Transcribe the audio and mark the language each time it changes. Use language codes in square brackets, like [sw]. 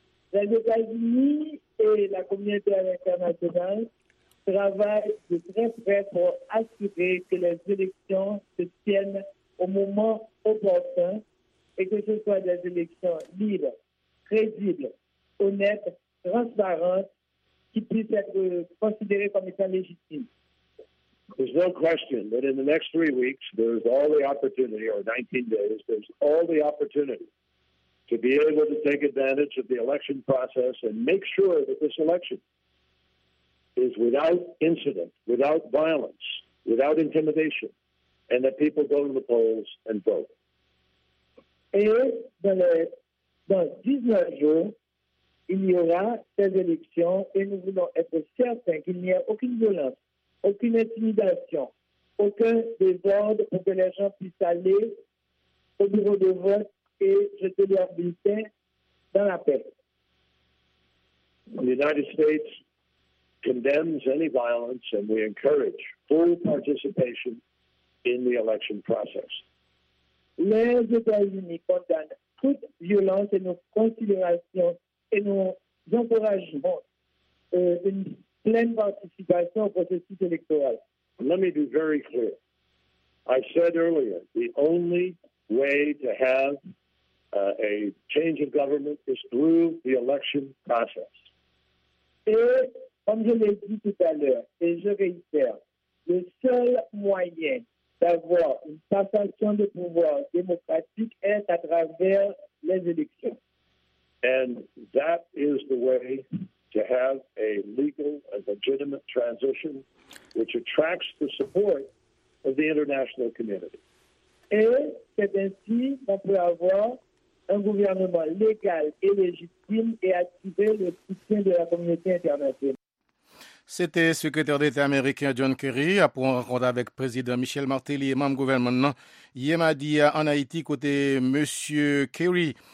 [fr] Les États-Unis et la communauté internationale travaillent de très près pour assurer que les élections se tiennent au moment opportun et que ce soit des élections libres, crédibles, honnêtes, transparentes, qui puissent être considérées comme étant légitimes. [en] There's no question that in the next 3 weeks, there's all the opportunity, or 19 days, there's all the opportunity to be able to take advantage of the election process and make sure that this election is without incident, without violence, without intimidation, and that people go to the polls and vote. [fr] Et dans 19 jours, il y aura ces élections et nous voulons être certains qu'il n'y a aucune violence, aucune intimidation, aucun désordre pour que les gens puissent aller au bureau de vote et jeter leur bulletin dans la paix. [en] The United States condemns any violence and we encourage full participation in the election process. [fr] Les États-Unis condamnent toute violence et nos considérations et nous encourageons une pleine participation au processus électoral. [en] Let me be very clear. I said earlier, the only way to have a change of government is through the election process. [fr] Et comme je l'ai dit tout à l'heure, et je réitère, le seul moyen d'avoir une passation de pouvoir démocratique est à travers les élections. [en] And that is the way to have a legal and legitimate transition which attracts the support of the international community. [fr] Et c'est ainsi qu'on peut avoir un gouvernement légal et légitime et attirer le soutien de la communauté internationale. C'était secrétaire d'État américain John Kerry pour une rencontre avec président Michel Martelly et membre gouvernement Yemadia en Haïti côté monsieur Kerry